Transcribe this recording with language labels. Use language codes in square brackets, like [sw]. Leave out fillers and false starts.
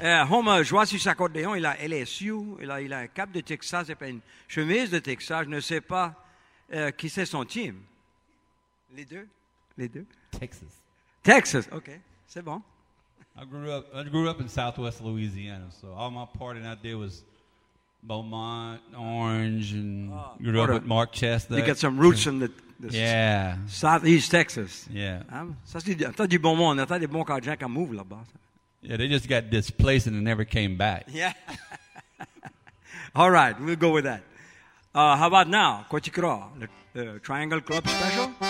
[fr] Homa joue sur sa accordéon, il a LSU, il a un cap de Texas, et pas une chemise de Texas, je ne sais pas qui c'est son team. Les deux? Les deux? Texas. Texas, ok, c'est bon. [en] I grew up in Southwest Louisiana, so all my partying out there was Beaumont, Orange, and grew up with Mark Chester. You got some roots in the Southeast Texas. Yeah. [fr] Ça c'est du bon monde, t'as des bons cadres qui mouvent là-bas. [en] Yeah, they just got displaced and they never came back. Yeah. All right, we'll go with that. How about now, Kochikro, the Triangle Club Special?